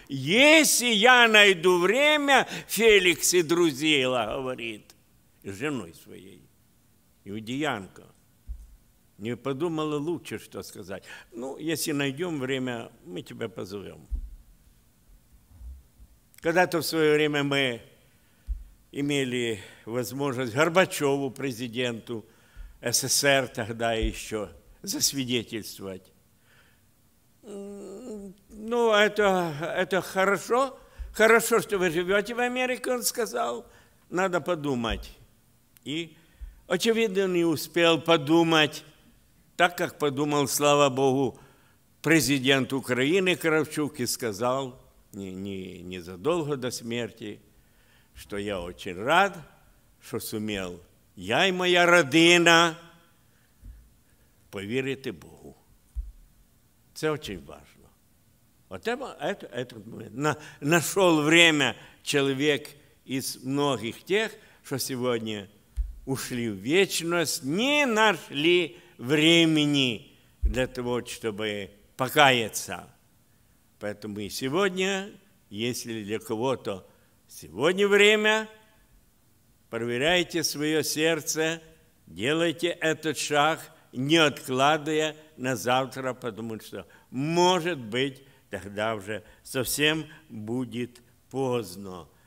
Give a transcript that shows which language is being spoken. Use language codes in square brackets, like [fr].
[uk] Якщо я найду время, Фелікс і друзіла, говорить, женою своєю, іудіянка, не подумала лучше, що сказати. Ну, якщо знайдемо время, ми тебе позовемо. [ru] Когда-то в своё время мы имели возможность Горбачёву, президенту СССР тогда ещё, засвидетельствовать. Ну, это хорошо. Хорошо, что вы живёте в Америке, он сказал. Надо подумать. И, очевидно, не успел подумать так, как подумал, слава Богу, президент Украины Кравчук и сказал... Не задолго до смерти, [uk] що я дуже рад, що сумів я і моя родина повірити Богу. Це дуже важливо. Нашов время чоловік із многих тих, що сьогодні ушли в вічність, не нашли времени для того, щоб покаятися. [ru] Поэтому и сегодня, если для кого-то сегодня время, проверяйте свое сердце, делайте этот шаг, не откладывая на завтра, потому что, может быть, тогда уже совсем будет поздно.